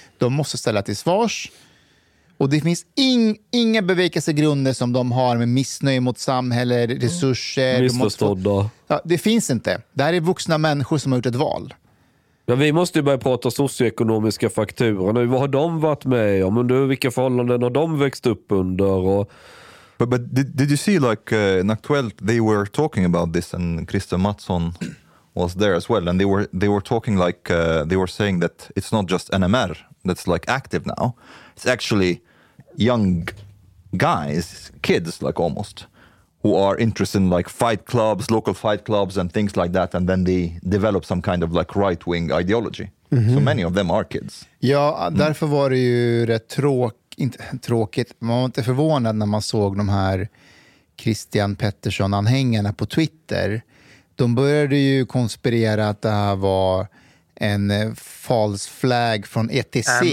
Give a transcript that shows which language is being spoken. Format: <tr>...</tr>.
<sv>De måste ställa till svars, och det finns inga bevekelsegrunder som de har med missnöje mot samhälle, resurser. Missförstådda. De måste få, ja, det finns inte. Det här är vuxna människor som har gjort ett val. Ja, vi måste ju börja prata socioekonomiska faktorer nu. Vad har de varit med om? Under vilka förhållanden har de växt upp under? Och...</sv> <en>But did you see like in Aktuellt, they were talking about this and Christer Mattsson was there as well. And they were talking like, they were saying that it's not just NMR that's like active now. It's actually young guys, kids like almost, who are interested in like fight clubs, local fight clubs and things like that, and then they develop some kind of like right-wing ideology. Mm-hmm. So many of them are kids.</en> <sv>Ja, därför var det ju rätt tråkigt. Man var inte förvånad när man såg de här Christian Pettersson-anhängarna på Twitter. De började ju konspirera att det här var en false flag från ETC.</sv>